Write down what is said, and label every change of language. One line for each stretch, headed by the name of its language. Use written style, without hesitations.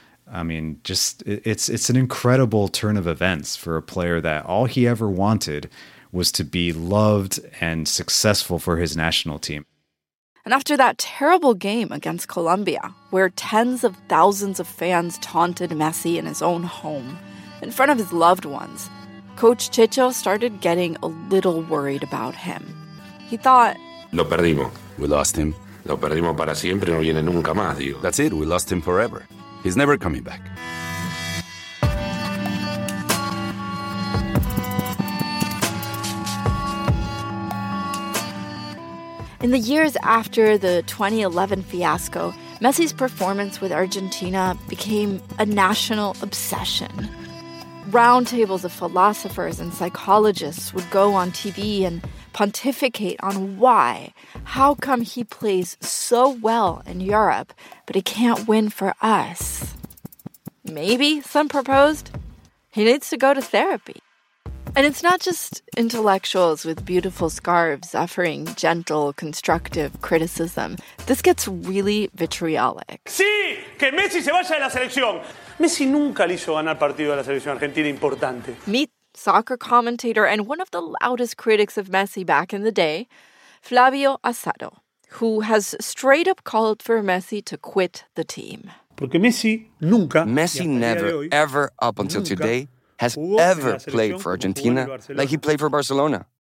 English: I mean, just it's an incredible turn of events for a player that all he ever wanted was to be loved and successful for his national team. And after that terrible game against Colombia, where tens of thousands of fans taunted Messi in his own home, in front of his loved ones, Coach Checho started getting a little worried about him. He thought,
Spanish: lo perdimos.
English: We lost him.
Spanish: Lo perdimos para siempre, no viene nunca más, digo.
English: That's it, we lost him forever. He's never coming back. In the years after the 2011 fiasco, Messi's performance with Argentina became a national obsession. Roundtables of philosophers and psychologists would go on TV and pontificate on why. How come he plays so well in Europe, but he can't win for us? Maybe, some proposed, he needs to go to therapy. And it's not just intellectuals with beautiful scarves offering gentle, constructive criticism. This gets really vitriolic.
Spanish: Sí, que Messi se vaya de la selección. Messi nunca le hizo ganar partido de la selección argentina importante.
English: Meet soccer commentator and one of the loudest critics of Messi back in the day, Flavio Asado, who has straight up called for Messi to quit the team. Messi never, ever, up until today, has ever played for Argentina like he played for Barcelona.